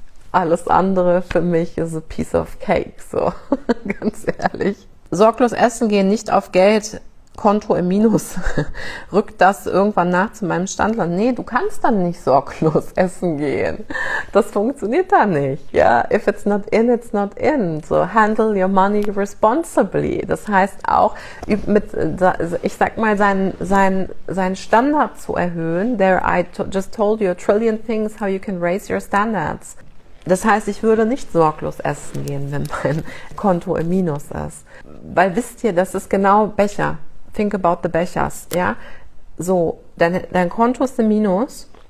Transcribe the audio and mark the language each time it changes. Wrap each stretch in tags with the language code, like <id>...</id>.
<de>Alles andere für mich ist</de> <en>a piece of cake,</en> <de>so ganz ehrlich. Sorglos essen gehen, nicht auf Geld, Konto im Minus. Rückt das irgendwann nach zu meinem Standard? Nee, du kannst dann nicht sorglos essen gehen. Das funktioniert da nicht.</de> <en>Ja, if it's not in, it's not in. So handle your money responsibly.</en> <de>Das heißt auch, mit, ich sag mal, seinen Standard zu erhöhen.</de> <en>There I just told you a trillion things how you can raise your standards.</en> <de>Das heißt, ich würde nicht sorglos essen gehen, wenn mein Konto im Minus ist. Weil wisst ihr, das ist genau Becher.</de> <en>Think about the Bechers,</en> <de>ja. So, dein Konto ist im Minus.</de>